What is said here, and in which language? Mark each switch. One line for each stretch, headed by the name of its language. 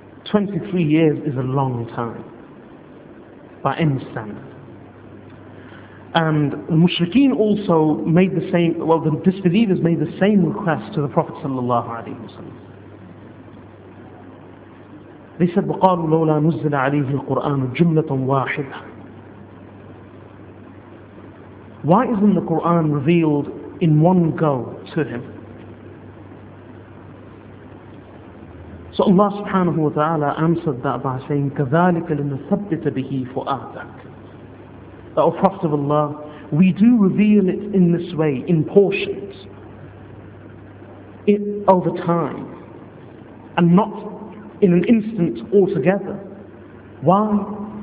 English: 23 years is a long time by any standard. And the mushrikeen also made the same, well, the disbelievers made the same request to the Prophet sallallahu alayhi wa sallam. They said,
Arabic: وَقَالُوا لَوْلَا نُزِّلَ عَلَيْهِ الْقُرْآنُ جُمْلَةً وَاحِدًا.
English: Why isn't the Qur'an revealed in one go to him? So Allah subhanahu wa ta'ala answered that by saying,
Arabic: كَذَلِكَ لِنَثَبِّتَ بِهِ فُؤَادَكَ.
English: That, O Prophet of Allah, we do reveal it in this way, in portions, over time, and not in an instant altogether. Why?